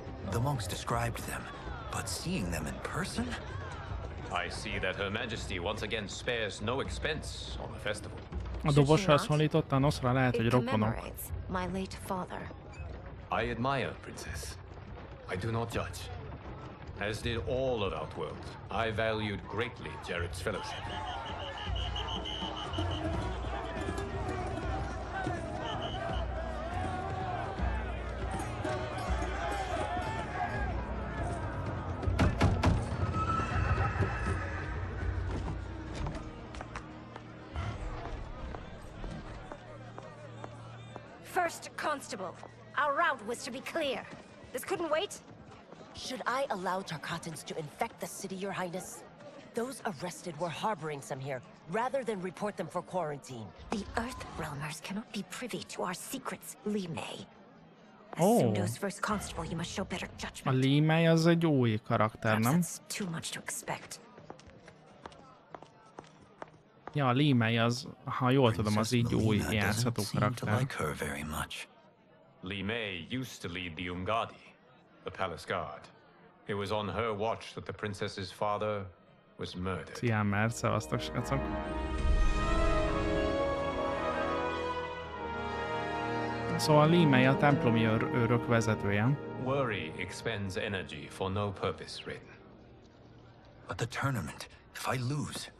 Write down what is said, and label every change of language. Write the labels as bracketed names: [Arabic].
[English] The monks described them, but seeing them in person? I see that Her Majesty once again spares no expense on the festival. [Hungarian] A dobosához hasonlította, noszra lehet, hogy rokonok. [English] My late father. I admire, Princess. I do not judge. As did all of Outworld, I valued greatly Jared's fellowship. Constable, our route was to be clear. This couldn't wait. Should I allow Tarkatans to infect the city, Your Highness? Those arrested were harboring some here, rather than report them for quarantine. The Earthrealmers cannot be privy to our secrets, Li Mei. As Sundo's first constable, you must show better judgment. [Hungarian] Li Mei az egy új karakter, nem? [English] That's too much to expect. [Hungarian] Ja, Li Mei az, ha jól tudom, az így új játszható karakter. [English] Li Mei used to lead the Umgadi, the palace guard. It was on her watch that the princess's father was murdered. [Hungarian] Szia, mert szevasztok, srácok. Szóval Li Mei a templomi őrök vezetője. [English] Worry expends energy for no purpose, Raiden. But the tournament, if I lose...